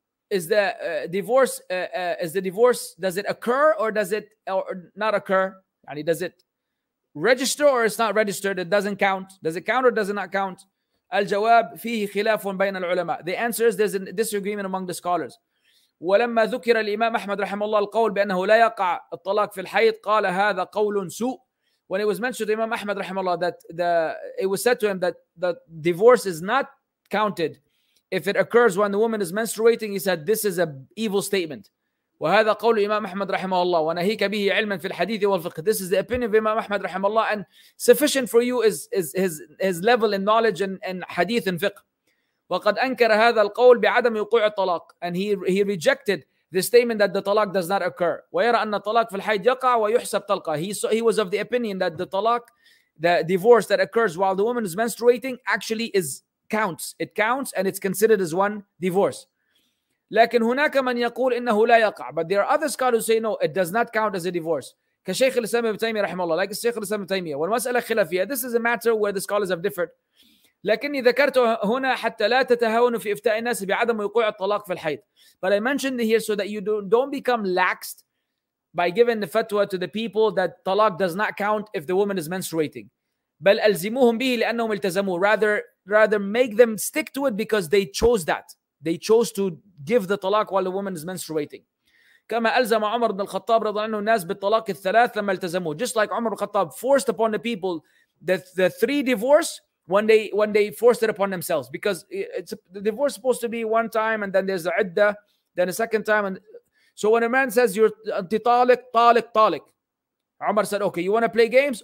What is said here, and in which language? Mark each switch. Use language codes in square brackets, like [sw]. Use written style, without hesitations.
[en] Is the divorce does it occur or does it not occur? يعني does it register or it's not registered? It doesn't count. Does it count or does it not count? [ar] الجواب فيه خلاف بين العلماء. [en] The answer is there's a disagreement among the scholars. [ar] ولما ذكر الإمام أحمد رحمه الله القول بأنه لا يقع الطلاق في الحيض قال هذا قول سوء. [en] When it was mentioned to Imam Ahmad rahimahullah that it was said to him that the divorce is not counted if it occurs when the woman is menstruating, he said this is a evil statement. [ar] وهذا قول Imam Ahmad rahimahullah وناهيك به علما في الحديث والفقه. [en] This is the opinion of Imam Ahmad rahimahullah, and sufficient for you is his level in knowledge and hadith and fiqh. [ar] وقد أنكر هذا القول بعدم وقوع الطلاق, [en] and he rejected the statement that the talaq does not occur. [ar] ويرى أن الطلاق في الحيض يقع ويحسب طلقة. [en] He was of the opinion that the talaq, the divorce that occurs while the woman is menstruating, actually counts. It counts and it's considered as one divorce. [ar] لكن هناك من يقول إنه لا يقع. [en] But there are other scholars who say no, it does not count as a divorce. [ar] كشيخ الإسلام ابن تيمية رحمه الله, [en] like [ar] الشيخ الإسلام ابن تيمية. والمسألة خلافية. [en] This is a matter where the scholars have differed. [ar] لكني ذكرت هنا حتى لا تتهاونوا في إفتاء الناس بعدم وقوع الطلاق في الحيض. [en] But I mentioned here so that you don't become laxed by giving the fatwa to the people that talaq does not count if the woman is menstruating. [ar] بل ألزموهم به لأنهم التزموا. [en] Rather make them stick to it because they chose that. They chose to give the talaq while the woman is menstruating. [ar] كما ألزم عمر بن الخطاب رضي الله عنه الناس بالطلاق الثلاث لما التزموا. [en] Just like عمر بن الخطاب forced upon the people that the three divorce when they forced it upon themselves, because the divorce is supposed to be one time and then there's the idda, then a second time. And so when a man says you're talik, talik, talik, Umar said, okay, you want to play games?